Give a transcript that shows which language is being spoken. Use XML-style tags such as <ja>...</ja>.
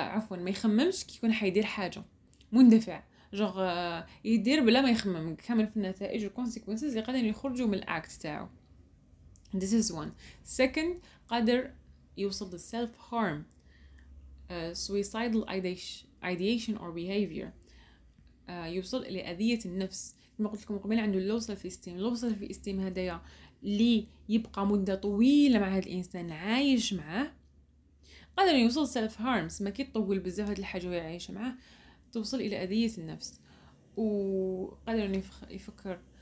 <ar>ما يخممش كي يكون حيدير حاجة، مندفع جغ يدير بلا ما يخمم كامل في النتائج و consequences اللي قادر يخرجوا من الاكت تاعه.</ar> <en>This is one. Second،</en> <ar>قادر يوصل</ar> <en>to self-harm، suicidal ideation or behavior،</en> <ar>يوصل إلى أذية النفس. كما قلت لكم قبل عنده</ar> <en>low self-esteem،</en> <ar>low self-esteem هدايا لي يبقى مدة طويلة مع هذا الإنسان عايش معه، قادر يوصل سلف هارمس ما كيطول بزاف هذه الحاجة ويعيش معه توصل إلى أذية النفس، وقادر يفكر</ar>